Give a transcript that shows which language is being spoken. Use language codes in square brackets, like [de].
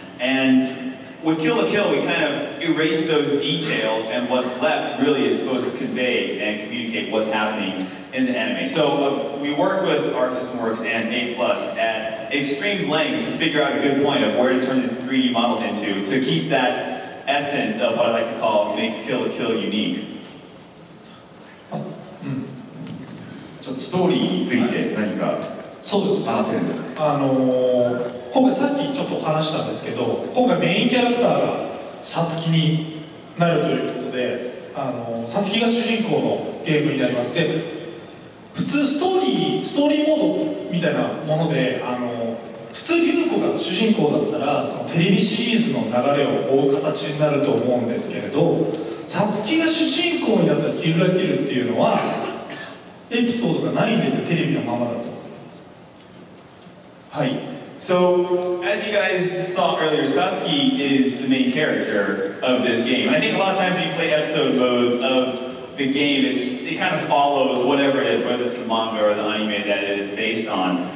[en] And with Kill la Kill, we kind of erase those details, and what's left really is supposed to convey and communicate what's happening in the anime. So we work with Art System Works and A+ at extreme lengths to figure out a good point of where to turn the 3D models into to keep that essence of what I like to call makes Kill la Kill unique. [ja] ちょっとストーリーについて何か、そうです、話せるんですか。今回さっきちょっと話したんですけど、今回メインキャラクターがサツキになるということで、サツキが主人公のゲームになります。で、普通ストーリーモードみたいなもので、普通ユウコが主人公だったらそのテレビシリーズの流れを追う形になると思うんですけれど、サツキが主人公になったキルラキルっていうのはエピソードがないんですよ、テレビのままだと。はい。 [en] So, as you guys saw earlier, Satsuki is the main character of this game. I think a lot of times when you play episode modes of the game, it kind of follows whatever it is, whether it's the manga or the anime that it is based on.